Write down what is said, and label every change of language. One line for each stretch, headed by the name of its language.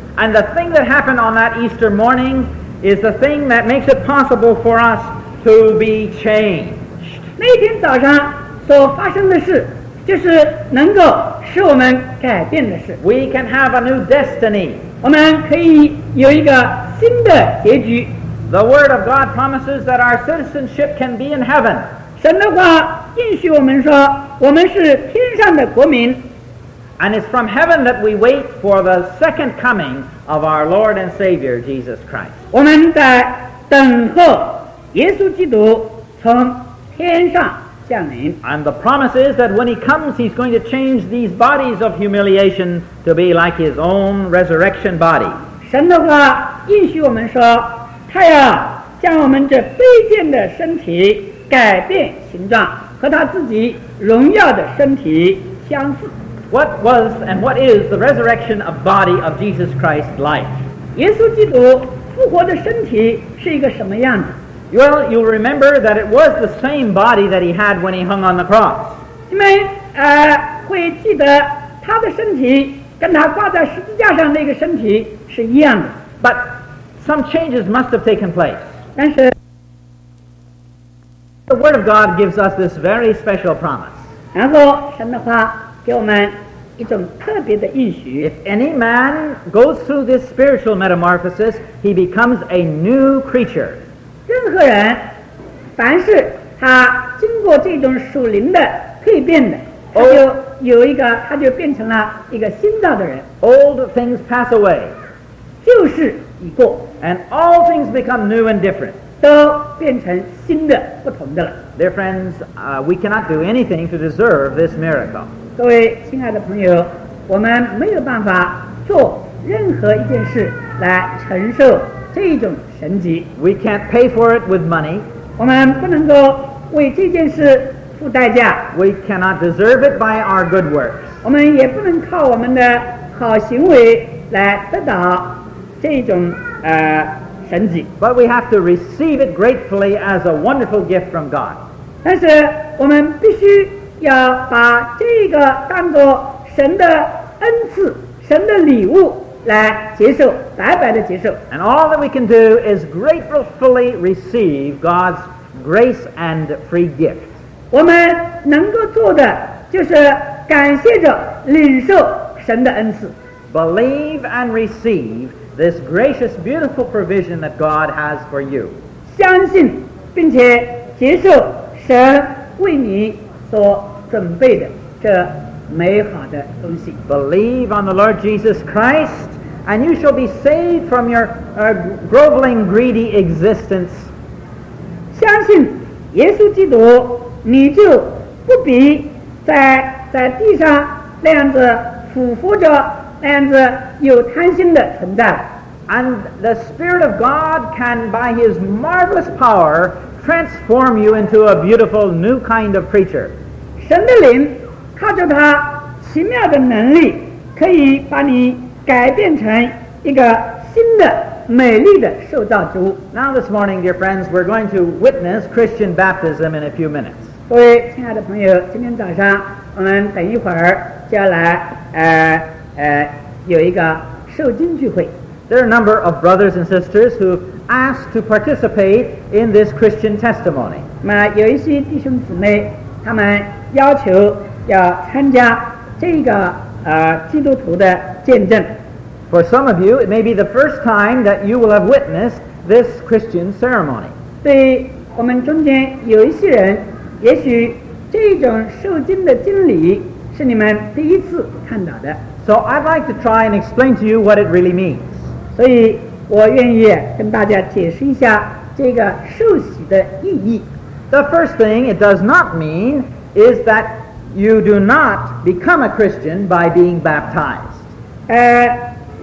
English: And the thing that happened on that Easter morning is the thing that makes it possible for us to be changed.
Chinese: 那天早上所发生的事就是能够使我们改变的事。
English: We can have a new destiny.
Chinese: 我们可以有一个新的结局。
English: The word of God promises that our citizenship can be in heaven.
Chinese: 神的话应许我们说我们是天上的国民。
English: And it's from heaven that we wait for the second coming of our Lord and Savior Jesus Christ.
Chinese: 我们在等候耶稣基督从天上。
English: And the promise is that when he comes, he's going to change these bodies of humiliation to be like his own resurrection body.
Chinese: 神的话应许我们说，他要将我们这卑贱的身体改变形状，和他自己荣耀的身体相似。
English: What was and what is the resurrection of body of Jesus Christ like?
Chinese: 耶稣基督复活的身体是一个什么样子？
English: Well, you remember that it was the same body that he had when he hung on the cross.
Chinese: 你们会记得他的身体跟他挂在十字架上那个身体是一样的。
English: But some changes must have taken place.
Chinese: 但是
English: The word of God gives us this very special promise.
Chinese: 然后神的话给我们一种特别的应许。
English: If any man goes through this spiritual metamorphosis, he becomes a new creature.
Chinese: 任何人，凡是他经过这种属灵的蜕变的，他就有一个，他就变成了一个新造的人。
English: Old things pass away.
Chinese: 旧事已过。
English: And all things become new and different.
Chinese: 都变成新的，不同的了。
English: Dear friends, we cannot do anything to deserve this miracle.
Chinese: 各位亲爱的朋友，我们没有办法做任何一件事来承受这种神迹。
English: We can't pay for it with money.
Chinese: 我们不能够为这件事付代价。
English: We cannot deserve it by our good works.
Chinese: 我们也不能靠我们的好行为来得到这种神迹。
English: But we have to receive it gratefully as a wonderful gift from God.
Chinese: 但是我们必须要把这个当作神的恩赐，神的礼物来接受，白白的接受。
English: And all that we can do is gratefully receive God's grace and free gift.
Chinese: 我们能够做的就是感谢着领受神的恩赐。
English: Believe and receive this gracious, beautiful provision that God has for you.
Chinese: 相信并且接受神为你所准备的这美好的东西。
English: Believe on the Lord Jesus Christ, and you shall be saved from your groveling, greedy existence.
Chinese: 相信耶稣基督，你就不必在地上那样子俯伏着，那样子有贪心的存在。
English: And the Spirit of God can, by His marvelous power, transform you into a beautiful new kind of creature.
Chinese: 神的灵靠着他奇妙的能力可以把你改变成一个新的美丽的受造之物。
English: Now this morning, dear friends, we're going to witness Christian baptism in a few minutes.
Chinese: 各位亲爱的朋友，今天早上我们等一会儿就要来有一个受浸聚会。
English: There are a number of brothers and sisters who asked to participate in this Christian testimony.
Chinese: 那有一些弟兄姊妹他们要求要参加这个基督徒的见证。
English: For some of you, it may be the first time that you will have witnessed this Christian ceremony.
Chinese: 对我们中间有一些人，也许这种受浸的经历是你们第一次看到的。
English: So I'd like to try and explain to you what it really means.
Chinese: 所以我愿意跟大家解释一下这个受洗的意义。
English: The first thing it does not mean is that you do not become a Christian by being baptized.